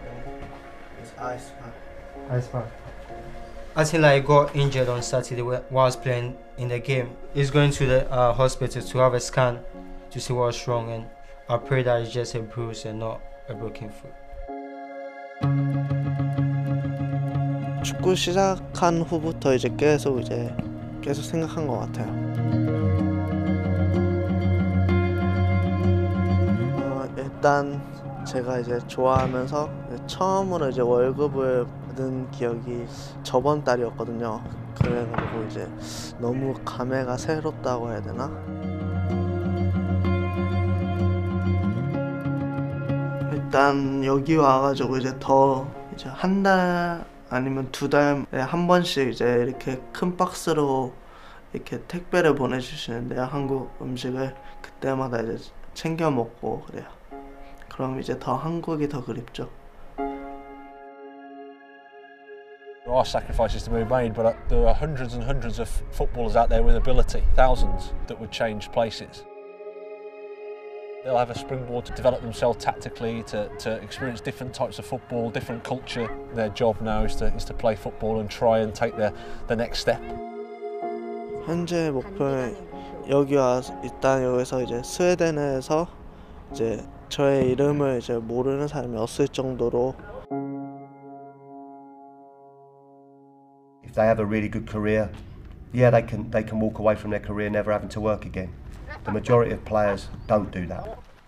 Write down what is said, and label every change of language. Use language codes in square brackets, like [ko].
[en] Yeah. It's ice pack. I think like, he got injured on Saturday while I was playing in the game. He's going to the hospital to have a scan to see what's wrong, and I pray that it's just a bruise and not a broken foot. [ko] 축구 시작한 후부터 이제 계속 생각한 것 같아요. Oh, 일단 제가 이제 좋아하면서 처음으로 이제 월급을 받은 기억이 저번 달이었거든요. 그래가지고 이제 너무 감회가 새롭다고 해야 되나? 일단 여기 와가지고 이제 더 이제 한 달 아니면 두 달에 한 번씩 이제 이렇게 큰 박스로 이렇게 택배를 보내주시는데요. 한국 음식을 그때마다 이제 챙겨 먹고 그래요. 그럼 이제 더 한국이 더 그립죠. [en] There are sacrifices to be made, but there are hundreds and hundreds of footballers out there with ability, thousands that would change places. They'll have a springboard to develop themselves tactically, to experience different types of football, different culture. Their job now is to play football and try and take the next step. [ko] 현재 목표는 여기 와 일단 여기서 이제 스웨덴에서 이제 저의 이름을 이제 모르는 사람이 없을 정도로. [en] If they have a really good career, yeah, they can walk away from their career never having to work again. The majority of players don't do that.